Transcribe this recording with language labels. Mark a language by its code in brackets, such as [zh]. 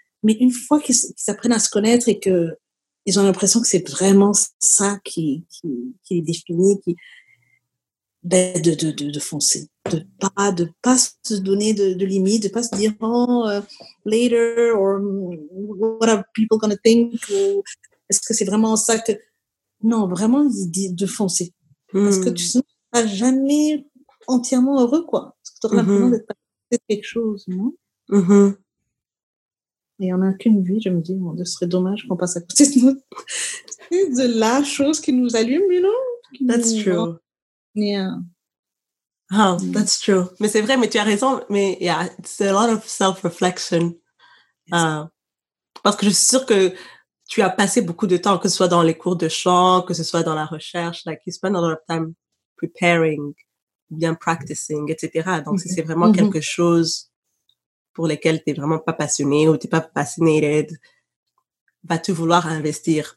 [fr] Mais une fois qu'ils apprennent à se connaître et qu'ils ont l'impression que c'est vraiment ça qui les définit, de foncer, de pas se donner de limites, de pas se dire [en] later or what are people gonna think [fr] ou est-ce que c'est vraiment ça que non, vraiment de foncer parce que tu ne seras jamais entièrement heureux quoi, parce que tu auras l'impression d'être pas fait quelque chose, non? Et on a qu'une vie, je me dis bon, ce serait dommage qu'on passe à côté de nous de la chose qui nous allume, [en] you know, that's true. Yeah. Oh, that's true. [fr] Mais c'est vrai, mais tu as raison. Mais [en] yeah, it's a lot of self-reflection. [fr] Parce que je suis sûre que tu as passé beaucoup de temps, que ce soit dans les cours de chant, que ce soit dans la recherche, [en] like you spend a lot of time preparing, [fr] bien [en] practicing, [fr] etc. Donc, si c'est vraiment quelque chose pour lequel tu n'es vraiment pas passionné ou tu n'es pas [en] fascinated, [fr] vas-tu vouloir investir?